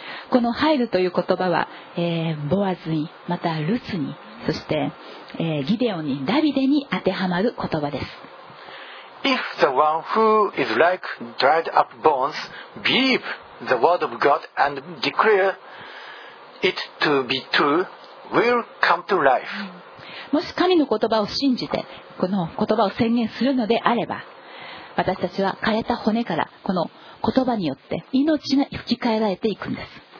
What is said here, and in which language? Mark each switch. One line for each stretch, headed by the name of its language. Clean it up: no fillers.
Japanese: このハイルという言葉は、ボアズに、またルツに、そして、ギデオンに、ダビデに当てはまる言葉です。
English: If the one who is like dried up bones believe the word of God and declare it to be true will come to life.
Japanese: もし神の言葉を信じてこの言葉を宣言するのであれば、私たちは枯れた骨からこの言葉によって命が吹き返られていくんです。